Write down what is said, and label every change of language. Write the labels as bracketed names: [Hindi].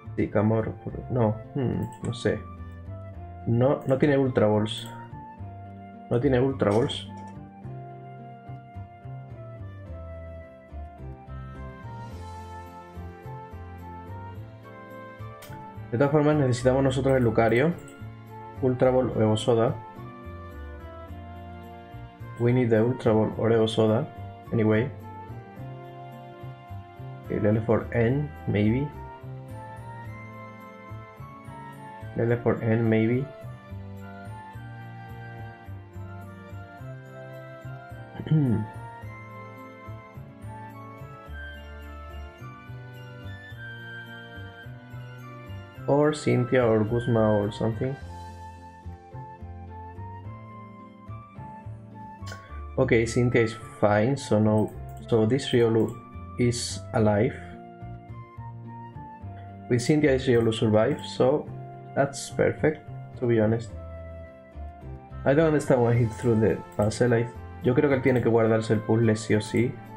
[Spanish] Camor, no, no sé. No, no tiene Ultra Balls. No tiene Ultra Balls. De todas formas, necesitamos nosotros el Lucario, Ultra Ball o Evo Soda. [English] We need the Ultra Ball or Evo Soda, anyway. Lele for N, maybe. Lele for N, maybe. Or Cynthia or Guzma or something. Okay, Cynthia is fine, so no, so this Riolu is alive. With Cynthia is Riolu survive, so that's perfect, to be honest. I don't understand why he threw the puzzle. [Spanish] Yo creo que él tiene que guardarse el puzzle sí o sí.